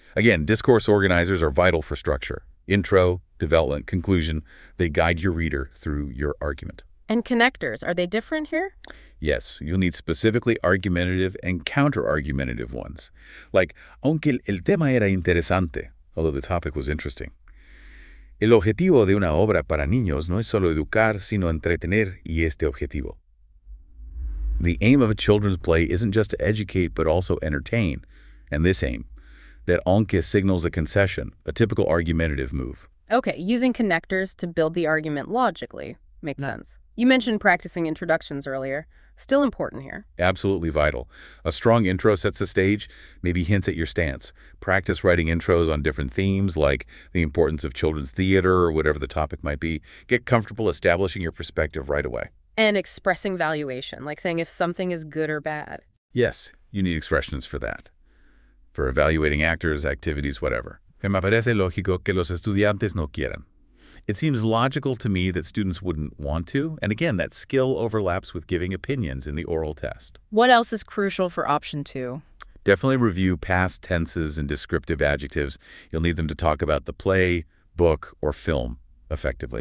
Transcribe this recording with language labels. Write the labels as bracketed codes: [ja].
[en] Again, discourse organizers are vital for structure. Intro, development, conclusion, they guide your reader through your argument. And connectors, are they different here? Yes, you'll need specifically argumentative and counter-argumentative ones. Like, [es] aunque el tema era interesante, [en] although the topic was interesting. [es] El objetivo de una obra para niños no es solo educar, sino entretener, y este objetivo. [en] The aim of a children's play isn't just to educate, but also entertain. And this aim, that aunque signals a concession, a typical argumentative move. Okay, using connectors to build the argument logically makes sense. You mentioned practicing introductions earlier. Still important here. Absolutely vital. A strong intro sets the stage, maybe hints at your stance. Practice writing intros on different themes, like the importance of children's theater or whatever the topic might be. Get comfortable establishing your perspective right away. And expressing valuation, like saying if something is good or bad. Yes, you need expressions for that. For evaluating actors, activities, whatever. [es] Que me parece lógico que los estudiantes no quieran. [en] It seems logical to me that students wouldn't want to. And again, that skill overlaps with giving opinions in the oral test. What else is crucial for option two? Definitely review past tenses and descriptive adjectives. You'll need them to talk about the play, book, or film effectively.